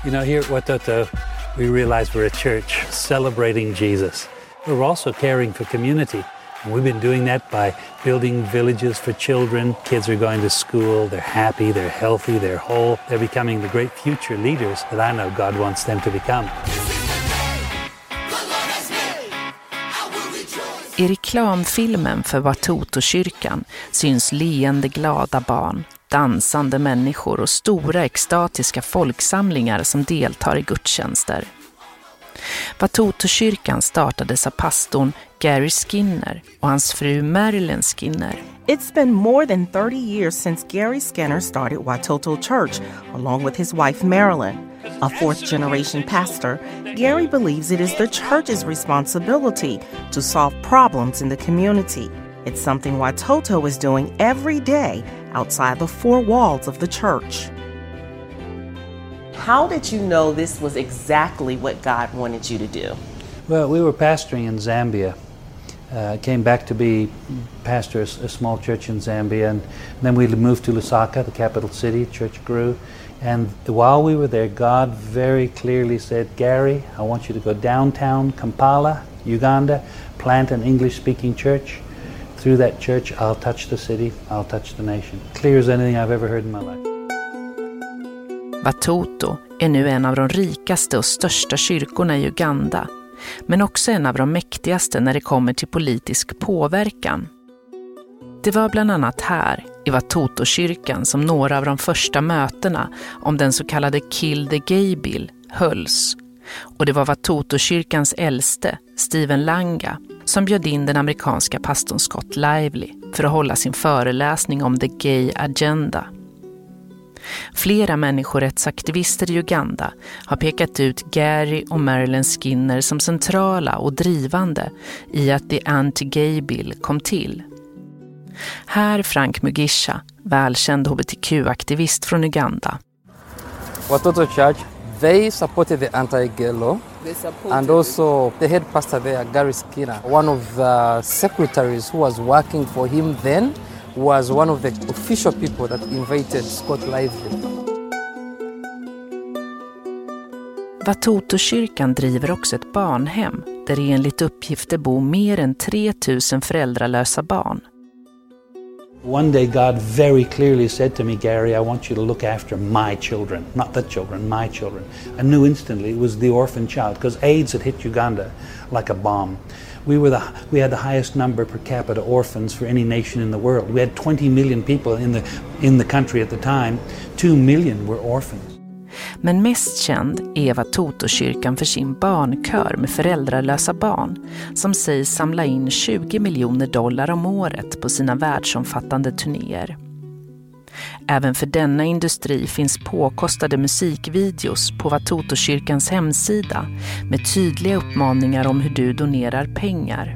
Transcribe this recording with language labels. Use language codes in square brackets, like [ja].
[en] You know, here at Wetoto, we realize we're a church celebrating Jesus. We're also caring for community. We've been doing that by building villages for children. Kids are going to school, they're happy, they're healthy, they're whole. They're becoming the great future leaders that I know God wants them to become. [sv] I reklamfilmen för Watoto-kyrkan syns leende glada barn, dansande människor och stora extatiska folksamlingar som deltar i gudstjänster. Watoto-kyrkan startades av pastorn Gary Skinner och hans fru Marilyn Skinner. [en] It's been more than 30 years since Gary Skinner started Watoto Church along with his wife Marilyn. A fourth-generation pastor, Gary believes it is the church's responsibility to solve problems in the community. It's something Watoto is doing every day outside the four walls of the church. How did you know this was exactly what God wanted you to do? Well, we were pastoring in Zambia. Came back to be pastor of a small church in Zambia, and then we moved to Lusaka, the capital city. Church grew. And while we were there, God very clearly said, Gary, I want you to go downtown Kampala, Uganda, plant an English-speaking church. Through that church, I'll touch the city, I'll touch the nation. Clear as anything I've ever heard in my life. [sv] Watoto är nu en av de rikaste och största kyrkorna i Uganda, men också en av de mäktigaste när det kommer till politisk påverkan. Det var bland annat här, i Watoto-kyrkan, som några av de första mötena om den så kallade Kill the Gay Bill hölls. Och det var Watoto-kyrkans äldste, Steven Langa, som bjöd in den amerikanska pastorn Scott Lively för att hålla sin föreläsning om The Gay Agenda. Flera människorättsaktivister i Uganda har pekat ut Gary och Marilyn Skinner som centrala och drivande i att The Anti-Gay Bill kom till. Här Frank Mugisha, välkänd HBTQ-aktivist från Uganda. [en] Watoto Church, they supported the anti-gay law. They supported. And also the head pastor there, Gary Skinner, one of the secretaries who was working for him then, was one of the official people that invited Scott Lively. [sv] Watoto-kyrkan driver också ett barnhem där enligt uppgifter bor mer än 3000 föräldralösa barn. [en] One day God very clearly said to me, Gary, I want you to look after my children, not the children, my children. I knew instantly it was the orphan child because AIDS had hit Uganda like a bomb. We had the highest number per capita orphans for any nation in the world. We had 20 million people in the country at the time. 2 million were orphans. [sv] Men mest känd är Watoto-kyrkan för sin barnkör med föräldralösa barn som sägs samla in 20 miljoner dollar om året på sina världsomfattande turnéer. Även för denna industri finns påkostade musikvideos på Watoto-kyrkans hemsida med tydliga uppmaningar om hur du donerar pengar.